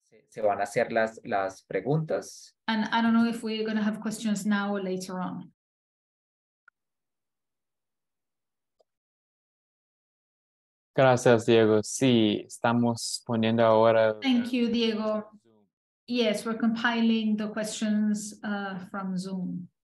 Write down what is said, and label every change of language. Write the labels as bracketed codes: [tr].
[es] Se van a hacer las preguntas. [en] And I don't know if we're gonna have questions now or later on. [es] Gracias, Diego. Sí, estamos poniendo ahora. [en] Thank you, Diego. Yes, we're compiling the questions from Zoom.